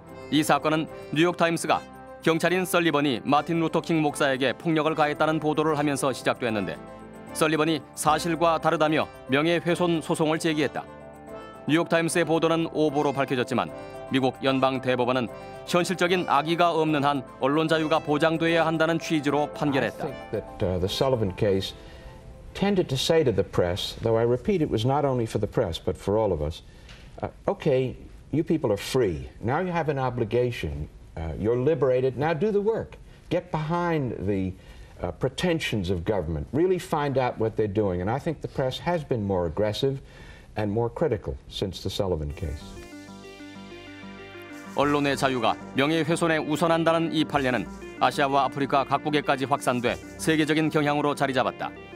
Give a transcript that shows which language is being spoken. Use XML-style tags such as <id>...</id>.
<ko>이 사건은 뉴욕타임스가 경찰인 설리번이 마틴 루터킹 목사에게 폭력을 가했다는 보도를 하면서 시작됐는데 설리번이 사실과 다르다며 명예훼손 소송을 제기했다. 뉴욕타임스의 보도는 오보로 밝혀졌지만 미국 연방대법원은 현실적인 악의가 없는 한 언론 자유가 보장돼야 한다는 취지로 판결했다.</ko> <en>The Sullivan case tended to say to the press, though I repeat it was not only for the press but for all of us, okay, you people are free. Now you have an obligation. You're liberated. Now do the work. Get behind the pretensions of government. Really find out what they're doing. And I think the press has been more aggressive and more critical since the Sullivan case.</en> <ko>언론의 자유가 명예훼손에 우선한다는 이 판례는 아시아와 아프리카 각국에까지 확산돼 세계적인 경향으로 자리 잡았다.</ko>